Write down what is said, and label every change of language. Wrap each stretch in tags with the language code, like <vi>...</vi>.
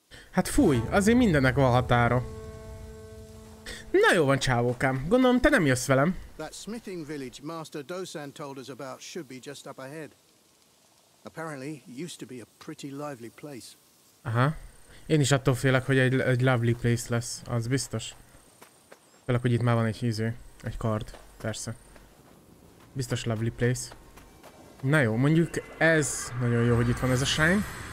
<hu>Hát fúj, azért mindennek van határa. Na jó van, csávókám. Gondolom, te nem jössz velem.</hu> <en>That smithing village Master Dosan told us about should be just up ahead. Apparently, used to be a pretty lively place. Aha.</en> <hu>Én is attól félek, hogy egy</hu> <en>lovely place</en> <hu>lesz, az biztos. Félek, hogy itt már van egy íző, egy kard, persze. Biztos</hu> <en>lovely place.</en> <hu>Na jó, mondjuk ez nagyon jó, hogy itt van ez a shrine.</hu>